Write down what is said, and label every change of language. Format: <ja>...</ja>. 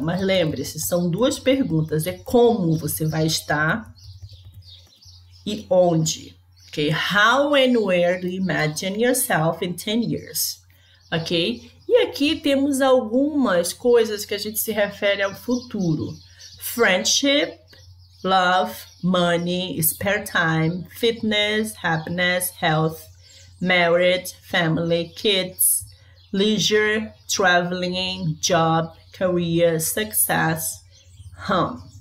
<pt>Mas lembre-se, são duas perguntas. É como você vai estar e onde.</pt> <en>Okay? How and where do you imagine yourself in 10 years? Okay?</en> <pt>E aqui temos algumas coisas que a gente se refere ao futuro.</pt> <en>Friendship, love, money, spare time, fitness, happiness, health, marriage, family, kids, leisure, traveling, job, career, success, home.</en>